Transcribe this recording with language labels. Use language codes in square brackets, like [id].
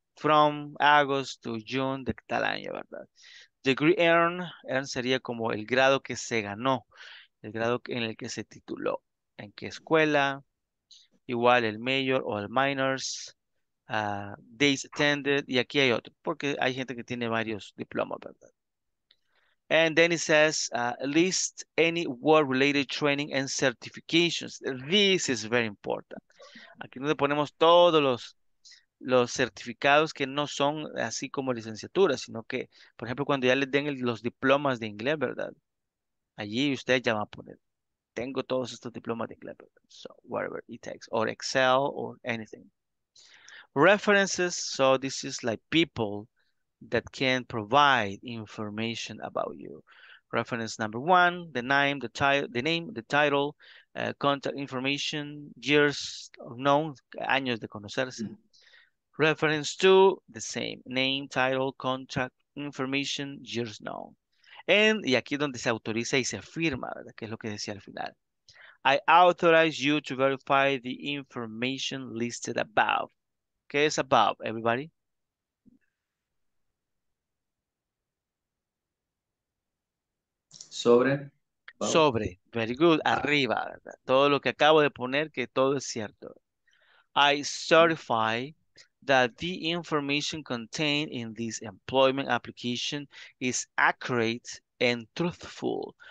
[en] From August to June [es] de tal año, ¿verdad? [en] Degree earned, [es] earned sería como el grado que se ganó, el grado en el que se tituló, en qué escuela. Igual el major o el minors, days attended, y aquí hay otro, porque hay gente que tiene varios diplomas, ¿verdad? [en] And then it says, list any work-related training and certifications. This is very important. [es] Aquí donde ponemos todos los certificados que no son así como licenciaturas, sino que, por ejemplo, cuando ya les den los diplomas de inglés, ¿verdad? Allí usted ya va a poner. Tengo todos estos diplomas de inglés, [en] so whatever it takes, or Excel, or anything. References, so this is like people that can provide information about you. Reference number one, the name, the title, contact information, years of known, [es] años de conocerse. [en] Mm-hmm. Reference two, the same, name, title, contact information, years known. [es] And, y aquí es donde se autoriza y se firma, ¿verdad? Que es lo que decía al final. [en] I authorize you to verify the information listed above. [es] ¿Qué es above, everybody? Sobre. Above. Sobre. [en] Very good. [es] Arriba, ¿verdad? Todo lo que acabo de poner, que todo es cierto. [en] I certify that the information contained in this employment application is accurate and truthful.